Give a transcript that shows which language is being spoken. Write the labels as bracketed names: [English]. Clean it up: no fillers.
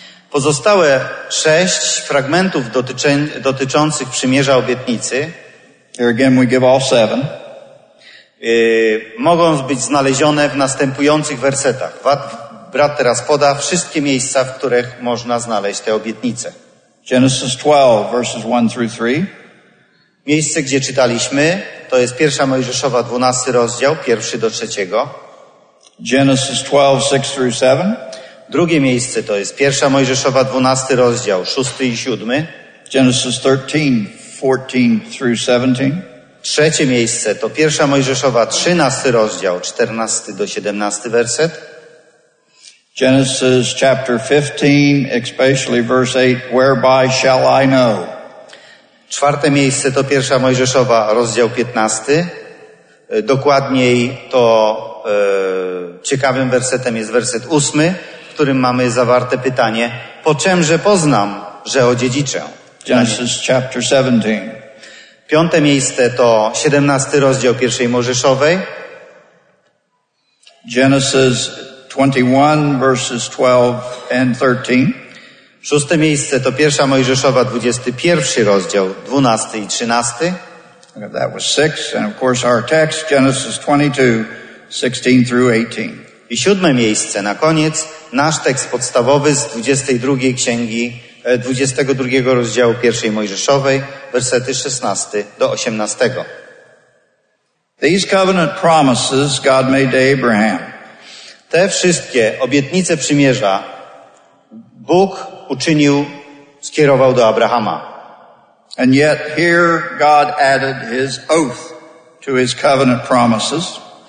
[Polish] Pozostałe 6 fragmentów dotyczących przymierza obietnicy [English] Here again we give all seven. [Polish] Mogą być znalezione w następujących wersetach. Brat teraz poda wszystkie miejsca, w których można znaleźć te obietnice. [English] Genesis 12, verses 1 through 3. [Polish] Miejsce, gdzie czytaliśmy, to jest 1 Mojżeszowa, 12 rozdział, 1 do 3. [English] Genesis 12, 6 through 7. [Polish] Drugie miejsce to jest 1 Mojżeszowa, 12 rozdział, 6 i 7. [English] Genesis 13, 14 through 17. [Polish] Trzecie miejsce to 1 Mojżeszowa, 13 rozdział, 14 do 17 werset. [English] Genesis chapter 15, especially verse 8, whereby shall I know? [Polish] Czwarte miejsce to 1 Mojżeszowa, rozdział 15. Dokładniej to ciekawym wersetem jest werset 8, w którym mamy zawarte pytanie, po czymże poznam, że odziedziczę? [English] Genesis chapter 17. [Polish] Piąte miejsce to 17 rozdział 1 Mojżeszowej. [English] Genesis 21, verses 12 and 13. [Polish] Szóste miejsce to 1 Mojżeszowa, 21 rozdział, 12 i 13. [English] That was 6, and of course our text, Genesis 22, 16 through 18. [Polish] I siódme miejsce, na koniec, nasz tekst podstawowy z 22 księgi, 22 rozdziału 1 Mojżeszowej, wersety 16 do 18. [English] These covenant promises God made to Abraham. [Polish] Te wszystkie obietnice przymierza Bóg uczynił, skierował do Abrahama. [English] And yet here God added his oath to his covenant promises.